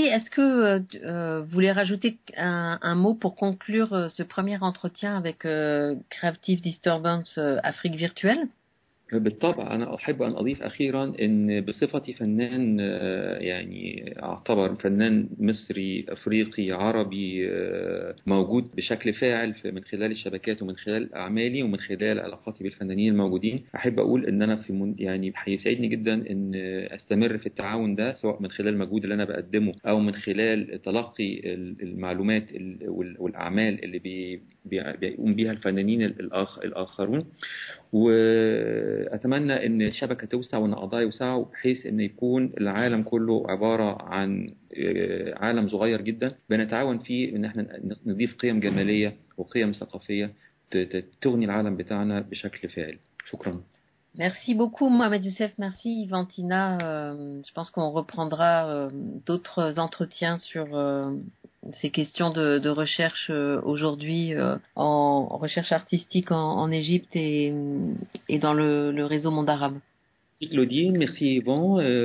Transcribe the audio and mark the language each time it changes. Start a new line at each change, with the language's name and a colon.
French: Est-ce que vous voulez rajouter un mot pour conclure ce premier entretien avec Creative Disturbance Afrique Virtuelle?
Arabic: بالطبع أنا أحب أن أضيف أخيرا إن بصفتي فنان، يعني أعتبر فنان مصري أفريقي عربي موجود بشكل فاعل من خلال الشبكات ومن خلال أعمالي ومن خلال علاقاتي بالفنانين الموجودين، أحب أقول إن أنا في يعني هيسعدني جدا إن أستمر في التعاون ده، سواء من خلال المجهود اللي أنا بقدمه أو من خلال تلقي المعلومات والأعمال اللي بيقوم بها الفنانين الآخرون. وأتمنى إن الشبكة توسع وإن الأعضاء يوسعوا بحيث إن يكون العالم كله عبارة عن عالم صغير جدا بنتعاون فيه، إن إحنا نضيف قيم جمالية وقيم ثقافية تغني العالم بتاعنا بشكل فاعل. شكرا.
French: Merci beaucoup, Mohamed Youssef. Merci, Ivantina. Je pense qu'on reprendra d'autres entretiens sur ces questions de recherche aujourd'hui en recherche artistique en Égypte et dans le réseau monde arabe. Claudine, merci Yvan.